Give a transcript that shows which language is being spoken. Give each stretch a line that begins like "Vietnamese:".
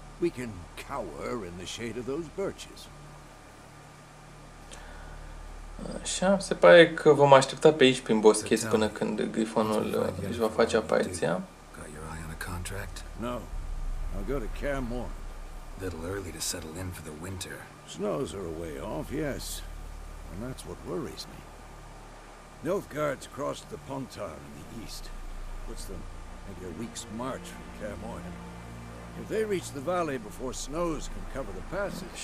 English: We can cower in the shade of those birches.
Romanian: Așa, se pare că vom aștepta pe aici prin boscheți până când grifonul își va face apariția.
English: Got your eye on a contract? No. I'll go to Caermore. Little early to settle in for the winter. Snows are a way off, yes. And that's what worries me. Nilfgaard's crossed the Pontar in the east. What's the maybe a week's march from Caermore. If they reach the valley before snows can cover the passage.